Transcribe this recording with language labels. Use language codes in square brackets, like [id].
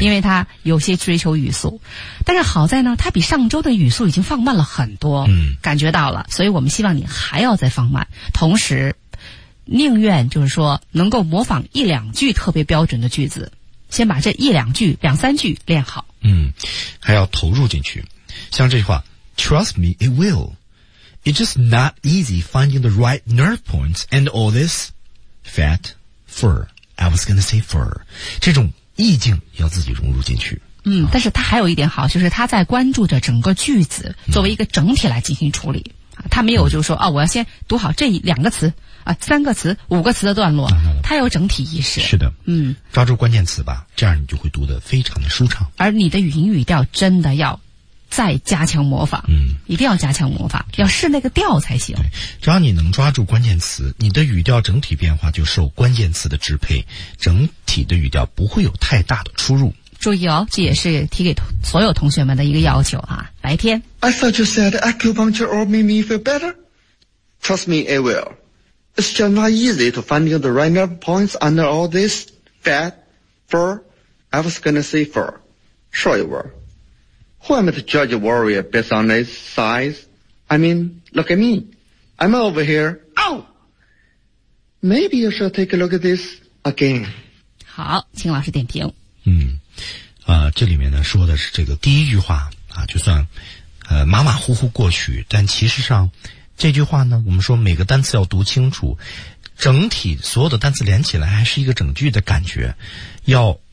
[zh] 因为他有些追求语速，但是好在呢，他比上周的语速已经放慢了很多，嗯，感觉到了，所以我们希望你还要再放慢，同时宁愿就是说能够模仿一两句特别标准的句子，先把这一两句两三句练好，嗯，还要投入进去，像这句话 [en] Trust me, it will. It's just not easy finding the right nerve points and all this fat fur. I was going to say fur. [zh] 这种意境要自己融入进去。嗯，但是他还有一点好，就是他在关注着整个句子作为一个整体来进行处理。他没有就是说，哦，我要先读好这两个词啊，三个词，五个词的段落。他有整体意识。是的。嗯。抓住关键词吧，这样你就会读得非常的舒畅。而你的语音语调真的要再加强模仿，嗯，一定要加强模仿，要试那个调才行。对，只要你能抓住关键词，你的语调整体变化就受关键词的支配，整体的语调不会有太大的出入。注意哦，这也是提给所有同学们的一个要求啊。白天 [en] I thought you said acupuncture will make me feel better. Trust me, it will. It's just not easy to find the right nerve points under all this fat fur. I was gonna say fur. Sure you were. Who am I to judge a warrior based on his size? I mean, look at me. I'm over here. Ow! Maybe you should take a look at this again. [zh] 好，请老师点评。嗯，这里面呢说的是这个第一句话啊，就算马马虎虎过去，但其实上这句话呢，我们说每个单词要读清楚，整体所有的单词连起来还是一个整句的感觉，要。